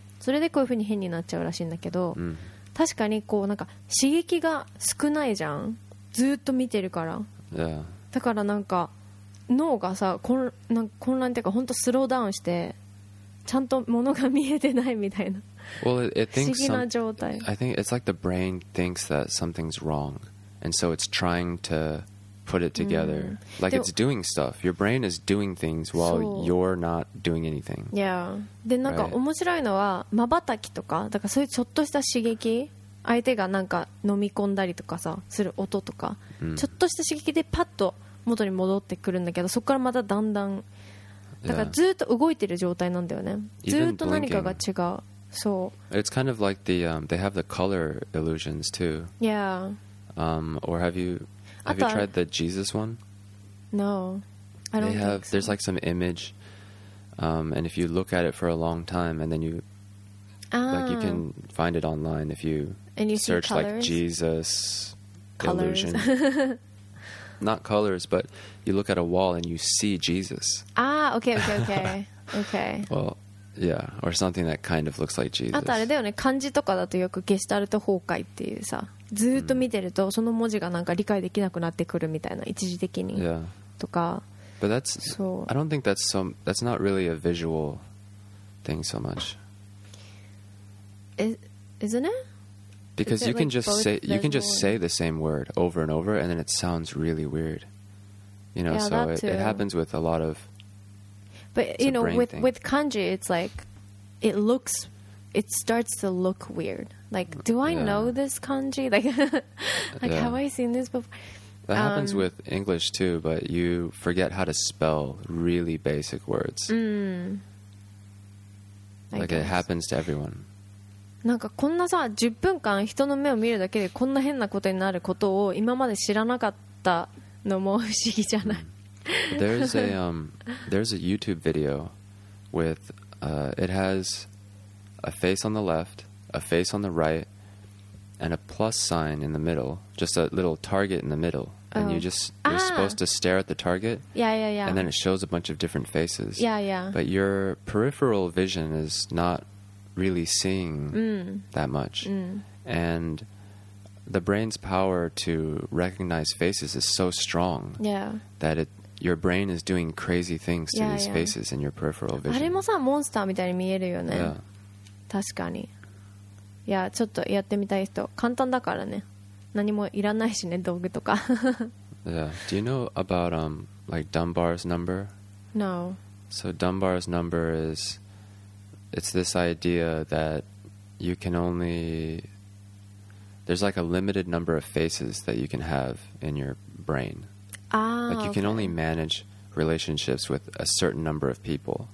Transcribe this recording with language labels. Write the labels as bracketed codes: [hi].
[ja] それでこういう風に変になっちゃうらしいんだけど、確かにこうなんか刺激が少ないじゃん、ずっと見てるから。だからなんか脳がさ、なんか混乱っていうか、本当スローダウンしてちゃんと物が見えてないみたいな不思議な状態。 [en] I think it's like the brain thinks that something's wrong, and so it's trying to put it together. Like it's doing stuff. Your brain is doing things while you're not doing anything. Yeah. [ja] で、なんか面白いのは、まばたきとか、だからそういうちょっとした刺激、相手がなんか飲み込んだりとかさ、する音とか、ちょっとした刺激でパッと元に戻ってくるんだけど、そこからまただんだん、だからずっと動いてる状態なんだよね。ずっと何かが違う。そう。 [en] It's kind of like the, they have the color illusions too. Yeah. Or have you... Have you tried the Jesus one? No, I don't think so. There's like some image, and if you look at it for a long time, and then you, like you can find it online if you, and you search like Jesus illusion. Not colors, but you look at a wall and you see Jesus. Ah, okay. okay. Well, yeah, or something that kind of looks like Jesus. [ja] あとあれだよね、漢字とかだとよくゲシュタルト崩壊っていうさ、ずっと見てるとその文字がなんか理解できなくなってくるみたいな、一時的に、 [en] yeah. [ja] とか。 [en] But that's, そう。 I don't think that's so, that's not really a visual thing so much. Isn't it? Because you can just say, you can just say the same word over and over, and then it sounds really weird. You know, so it happens with a lot of. But you know, with kanji, it's like it looks, it starts to look weird. Like, do I know this kanji? Like, have I seen this before? That happens with English too, but you forget how to spell really basic words. Like, it happens to everyone. [ja] なんかこんなさ、10分間人の目を見るだけでこんな変なことになることを今まで知らなかったのも不思議じゃない。 [en] There's a YouTube video with, it has a face on the left, a face on the right, and a plus sign in the middle, just a little target in the middle. And you just, you're supposed to stare at the target. Yeah, yeah, yeah. And then it shows a bunch of different faces. Yeah, yeah. But your peripheral vision is not really seeing that much. And the brain's power to recognize faces is so strong that it, your brain is doing crazy things to these faces in your peripheral vision. [ja] あれもさ、モンスターみたいに見えるよね。確かに。いや、ちょっとやってみたい人、簡単だからね。何もいらないしね、道具とか。 [en] Yeah. Do you know about like Dunbar's number? No. So Dunbar's number is, it's this idea that you can only, there's like a limited number of faces that you can have in your brain. Like you can only manage relationships with a certain number of people.